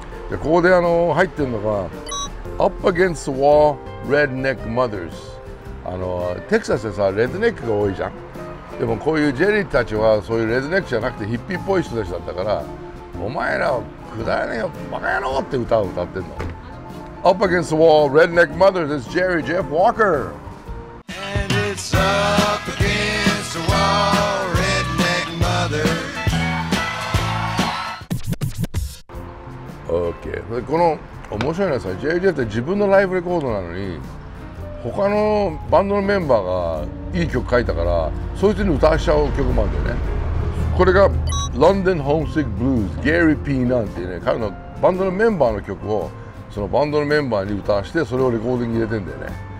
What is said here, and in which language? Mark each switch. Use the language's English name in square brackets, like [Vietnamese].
[Japanese] でここであの入ってるのが Up Against the Wall Redneck Mothers。 あのテキサスでさ、レッドネックが多いじゃん。でもこういうジェリーたちはそういうレズネックじゃなくてヒッピーっぽい人たちだったから、お前らくだらねえよバカ野郎って歌を歌ってんの。 [English] Up against the wall, redneck mother, this is Jerry Jeff Walker. And it's up against the wall, redneck mother. [Japanese] OK、 この面白いのはさ、 Jerry Jeff って自分のライブレコードなのに他のバンドのメンバーがいい曲書いたからそいつに歌わしちゃう曲もあるんだよね。これがロンドンホームシックブルーズ、ゲイリー・ピーナンっていうね、彼のバンドのメンバーの曲をそのバンドのメンバーに歌わしてそれをレコーディングに入れてんだよね。